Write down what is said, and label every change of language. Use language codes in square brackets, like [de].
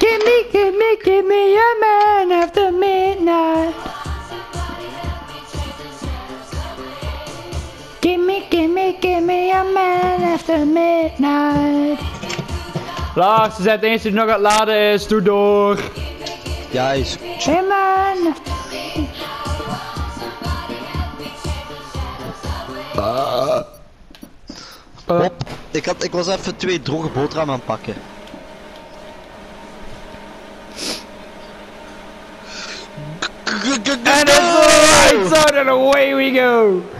[en] Give me your man after midnight. Give me a man after midnight. [nl] Lars, ze zijn het eerste die nog aan het laden is. Doe door. Ja, is [en] hey man. [nl] Ik was even twee droge boterhammen aan het pakken. [en] And it's alright, so then away we go.